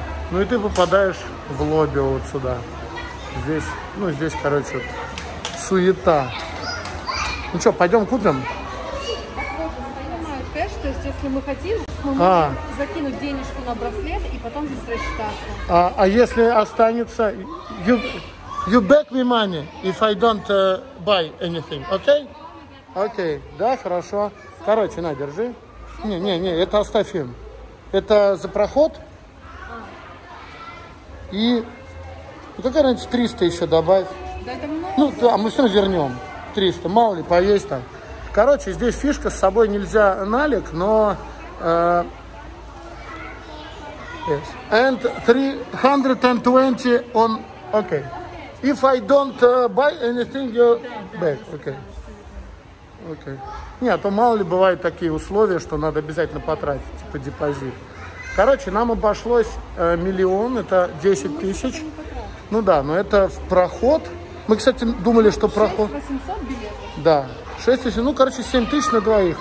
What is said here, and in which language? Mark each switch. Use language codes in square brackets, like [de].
[ru] И ты попадаешь в лобби вот сюда. Здесь, короче, суета. Пойдем купим? Так вот, я понимаю, кэш, то есть если мы хотим, мы можем закинуть денежку на браслет и потом здесь рассчитаться. А если останется... [en] You back me money if I don't buy anything, okay? [ru] Окей, да, хорошо. Короче, на, держи. Не, это оставь им. Это за проход. И... Ну, какая разница, 300 еще добавь. Да это много. Ну, да, мы все равно вернем. 300, мало ли, поесть там. Короче, здесь фишка, с собой нельзя налик, но... [en] Yes. And 320 on... Окей. Okay. If I don't buy anything, you back. [ru] Окей. Окей. Не, а то мало ли бывают такие условия, что надо обязательно потратить, типа депозит. Короче, нам обошлось 1 000 000, это 10 тысяч. Ну да, но это в проход. Мы, кстати, думали, что проход... 6800 билетов? Да. 6800, ну, короче, 7 тысяч на двоих.